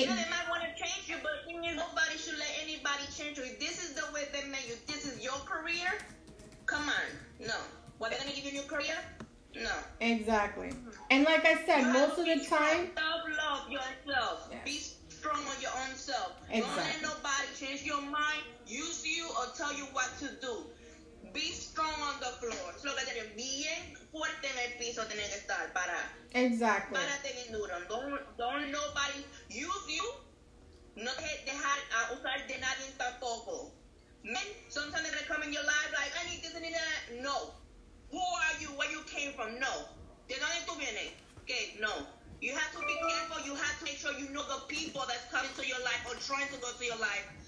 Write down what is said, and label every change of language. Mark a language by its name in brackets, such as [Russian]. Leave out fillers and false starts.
[English] you know, they might want to change you, but nobody should let anybody change you. If this is the way they make you, this is your career, come on. No. What, they're going to give you a new career? No. Exactly. And like I said, most of the time, self-love yourself. Yes. Be strong on your own self. Exactly. Don't let nobody change your mind, use you, or tell you what to do. Be strong on the floor. [Spanish] Es lo que tiene bien fuerte en el piso tiene que estar para... [English] Exactly. [Spanish] Para tener duro. [English] Don't nobody use you. [Spanish] No te dejar a usar de nadie tampoco. [English] Men, sometimes they're going to come in your life like, I need this and that. No. Who are you? Where you came from? No. [Spanish] ¿De dónde tú vienes? [English] Okay, no. You have to be careful. You have to make sure you know the people that's coming to your life or trying to go to your life.